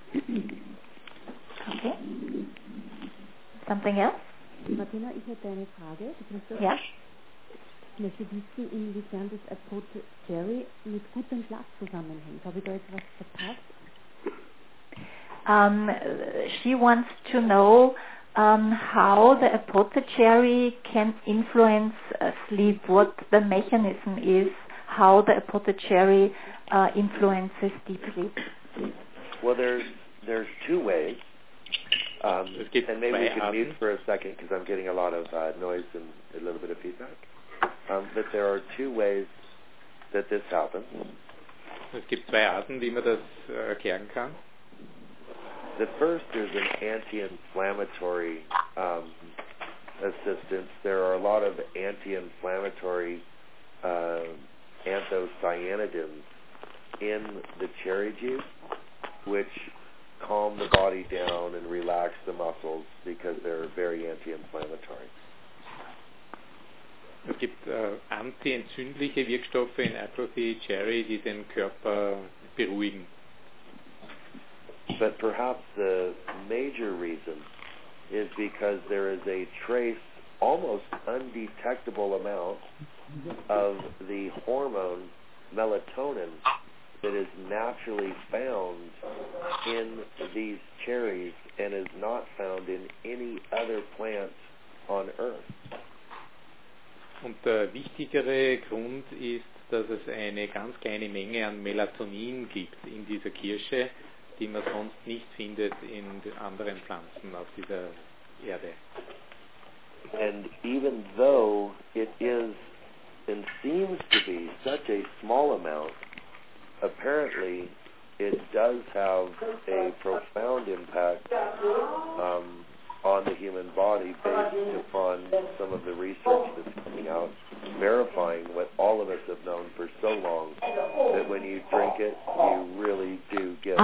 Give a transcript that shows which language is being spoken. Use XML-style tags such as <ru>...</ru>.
<en>Okay. Something else?</en> <de>Martina, ich hätte eine Frage. Ja? Ich möchte wissen, inwiefern das Approach Jerry mit gutem Schlaf zusammenhängt. Habe ich da jetzt was verpasst?</de> <en>She wants to know how the apothecary can influence sleep, what the mechanism is, how the apothecary influences deep sleep. Well, there's two ways. And maybe we can mute for a second because I'm getting a lot of noise and a little bit of feedback. But there are two ways that this happens.</en> <de>Es gibt zwei Arten, wie man das erklären kann.</de> <en>The first is an anti-inflammatory assistance. There are a lot of anti-inflammatory anthocyanidins in the cherry juice, which calm the body down and relax the muscles because they're very anti-inflammatory.</en> <de>Es gibt anti-entzündliche Wirkstoffe in Apothy Cherry, die den Körper beruhigen.</de> <en>But perhaps the major reason is because there is a trace, almost undetectable amount of the hormone melatonin that is naturally found in these cherries and is not found in any other plant on earth.</en> <de>Und der wichtigere Grund ist, dass es eine ganz kleine Menge an Melatonin gibt in dieser Kirsche, die man sonst nicht findet in anderen Pflanzen auf dieser Erde.</de> <en>And even though it is and seems to be such a small amount, apparently it does have a profound impact on the human body based upon some of the research that's coming out, verifying what all of us have known for so long, that when you drink it, you really do get</en>